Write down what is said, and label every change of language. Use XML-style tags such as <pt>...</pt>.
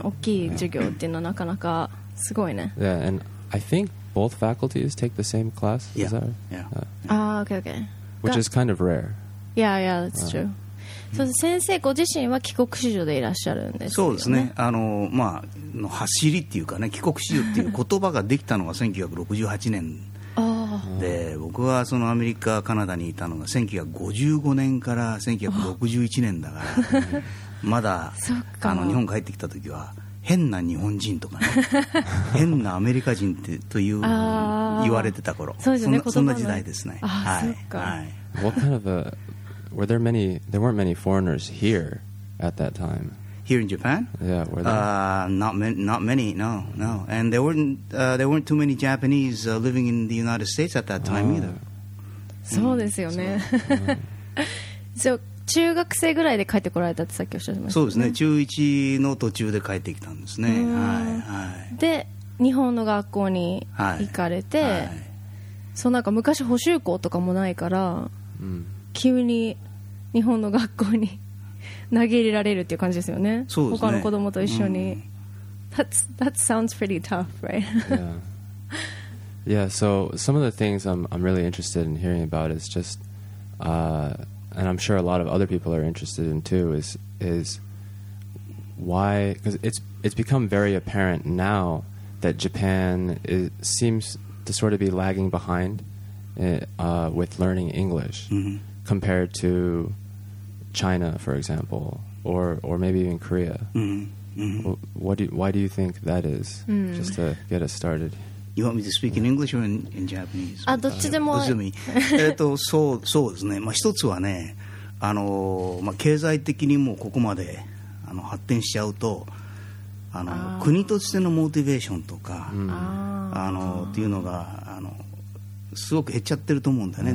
<ja>大きい授業っていうのはなかなかすごいね。</ja> <en>Yeah, and I think both faculties take the same class. Yeah. That? Yeah. Okay. Which is kind of rare. Yeah, that's true.</en> <ja>So, 先生ご自身は帰国子女でいらっしゃるんですよね。そうですね。走りっていうかね、帰国子女っていう言葉ができたのが1968年で、僕はそのアメリカ、カナダにいたのが1955年から1961年だから、まだ日本帰ってきた時は変な日本人とかね、変なアメリカ人ってという言われてた頃、そうですね、そんな時代ですね。はい。</ja> <en>What kind of a were there many? There weren't many foreigners here at that time. Here in Japan? Yeah, were there? Not many, no. And there weren't too many Japanese living in the United States at that time either.</en> <ja>そうですよね。そう、中学生ぐらいで帰ってこられたってさっきおっしゃいましたね。そうですね。中1の途中で帰ってきたんですね。はい。で、日本の学校に行かれて、そう、なんか昔補習校とかもないから、急に日本の学校に投げ入れられるっていう感じですよね。そうですね。他の子供と一緒に。</ja> <en>That sounds pretty tough, right? Yeah. Yeah. So some of the things I'm really interested in hearing about is just, and I'm sure a lot of other people are interested in too, is why, because it's become very apparent now that Japan seems to sort of be lagging behind with learning English compared to. China, for example, or maybe even Korea. Mm-hmm. Mm-hmm. Why do you think that is? Just to get us started. You want me to speak in English or in Japanese?</en> <ja>あ、どっちでも。そうですね。まあ一つはね、経済的にもここまで発展しちゃうと、国としてのモチベーションとか、っていうのがすごく減っちゃってると思うんだよね。</ja>